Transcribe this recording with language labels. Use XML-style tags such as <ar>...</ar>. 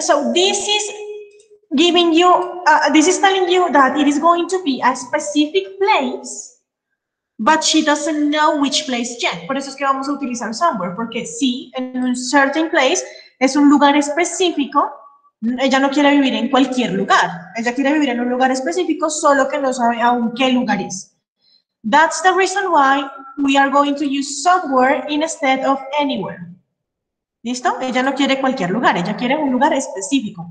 <en>So this is giving you, this is telling you that it is going to be a specific place, but she doesn't know which place yet.</en> <es>Por eso es que vamos a utilizar somewhere, porque sí, en un</es> <en>certain place,</en> <es>es un lugar específico, ella no quiere vivir en cualquier lugar. Ella quiere vivir en un lugar específico, solo que no sabe aún qué lugar es.</es> <en>That's the reason why we are going to use somewhere instead of anywhere.</en> <es>¿Listo? Ella no quiere cualquier lugar, ella quiere un lugar específico.</es>